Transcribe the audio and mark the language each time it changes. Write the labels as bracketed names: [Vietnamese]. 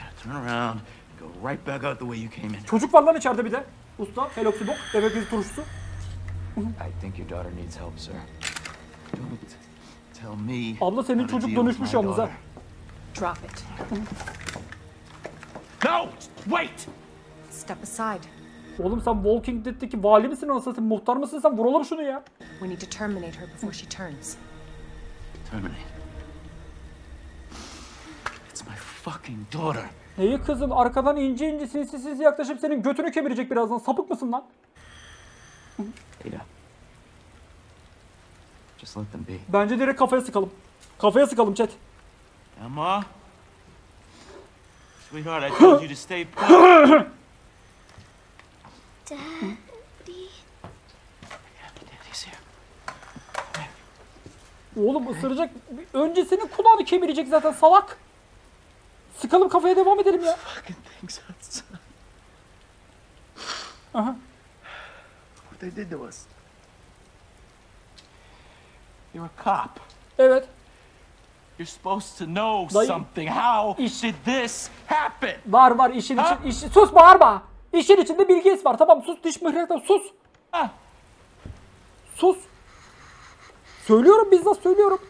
[English] Around, go right back out the way you came in. [Turkish] Çocuk var lan içeride bir de. Usta, heloksibok, demek bizi turuştu. [English] I think your daughter needs help, sir. Don't tell me. [Turkish] Abla senin çocuk dönüşmüş yalnız ha. [English] Drop it. No, wait. Step aside. [Turkish] Oğlum sen Walking Dead'deki vali misin anasını satayım? Muhtar mısın sen? Vuralım şunu ya. [English] We need to terminate her before she turns. Terminate. It's my fucking daughter. [Turkish] Neyi kızım? Arkadan ince ince sinsi sinsi yaklaşıp senin götünü kemirecek birazdan. Sapık mısın lan? Ada. [English] Just let them be. [Turkish] Bence direkt kafaya sıkalım. Kafaya sıkalım chat. [English] Emma. Sweetheart, I told you to stay put. Daddy. Daddy's here. [Turkish] Oğlum ısıracak. Önce senin kulağını kemirecek zaten salak. Sıkalım kafaya devam edelim ya. [English] Fucking things out. Aha. What they did to us. You're a cop. [Turkish] Evet. [English] You're supposed to know something. How did this happen? [Turkish] Var var işin için. Sus bağırma. İşin içinde bilgisi var. Tamam sus diş mihrakta sus. Ha. Sus. Söylüyorum bizzat söylüyorum.